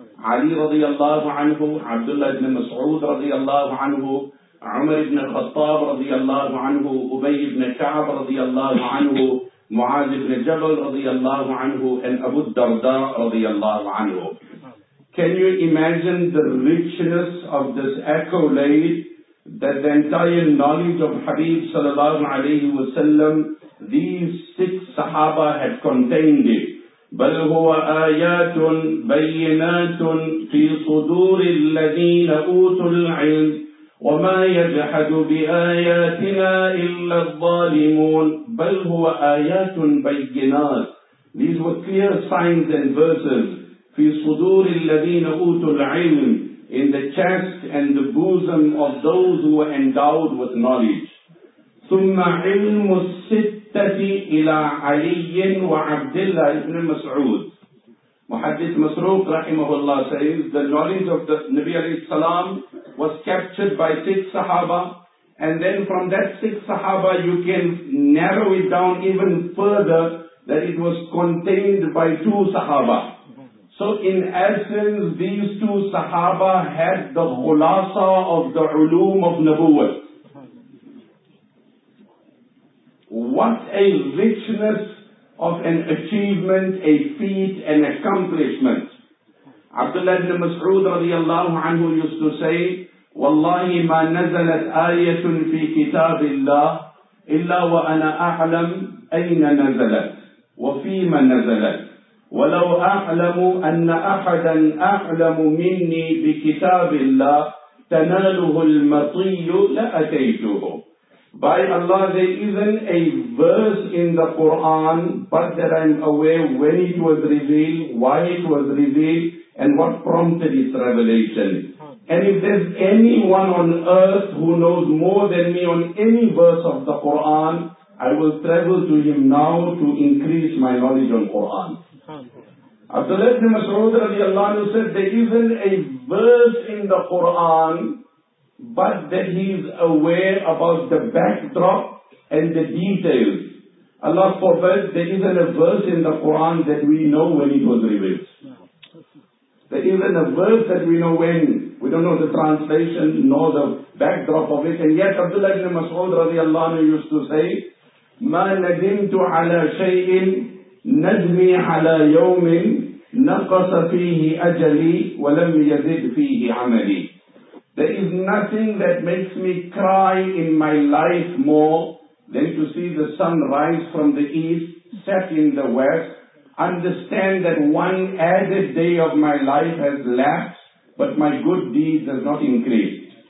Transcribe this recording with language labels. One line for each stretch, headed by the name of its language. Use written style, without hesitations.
English: Ali radiallahu anhu, Abdullah ibn Mas'ud radiallahu anhu, Umar ibn Khattab radiallahu anhu, Ubay ibn Ka'b radiallahu anhu, Mu'adh ibn Jabal radiallahu anhu, and Abu Darda radiallahu anhu. Can you imagine the richness of this accolade that the entire knowledge of Habib sallallahu alayhi wa sallam, these six Sahaba had contained it?
Arabic: بل هو آيات بينات في صدور الذين أوتوا العلم وما يجحد بآياتنا إلا الظالمون. بل هو آيات بينات.
English: These were clear signs and verses
Arabic: في صدور الذين أوتوا العلم,
English: in the chest and the bosom of those who were endowed with knowledge.
Arabic: ثم علم الست تأتي إلى علي وعبد الله ابن مسعود. محدث مسروق رحمه الله
English: says the knowledge of the Nabi عليه السلام was captured by six Sahaba, and then from that six Sahaba you can narrow it down even further that it was contained by two Sahaba. So in essence these two Sahaba had the khulasa of the ulum of Nabuwah. What a richness of an achievement, a feat, an accomplishment. Abdullah ibn Mas'ud radiallahu anhu used to say,
Arabic: وَاللَّهِ مَا نَزَلَتْ آيَةٌ فِي كِتَابِ اللَّهِ إِلَّا وَأَنَا أَعْلَمْ أَيْنَ نَزَلَتْ وَفِيمَ نَزَلَتْ وَلَوْ أَعْلَمُ أَنَّ أَحَدًا أَعْلَمُ مِنِّي بِكِتَابِ اللَّهِ تَنَالُهُ الْمَطِيُّ لَأَتَيْتُهُ.
English: By Allah, there isn't a verse in the Quran but that I'm aware when it was revealed, why it was revealed, and what prompted its revelation. And if there's anyone on earth who knows more than me on any verse of the Quran, I will travel to him now to increase my knowledge on Quran. Abdullah ibn Mas'ud radiallahu anhu said, there isn't a verse in the Quran but that he is aware about the backdrop and the details. Allah forbid, there isn't a verse in the Quran that we know when it was revealed. There isn't a verse that we know when. We don't know the translation nor the backdrop of it. And yet Abdullah ibn Mas'ud radiallahu anhu used to say,
Arabic: مَا نَدِمْتُ عَلَى شَيْءٍ نَدْمِي عَلَى يَوْمٍ نقص فيه أجلي ولم يزد فيه عملي.
English: There is nothing that makes me cry in my life more than to see the sun rise from the east, set in the west, understand that one added day of my life has lapsed, but my good deeds have not increased.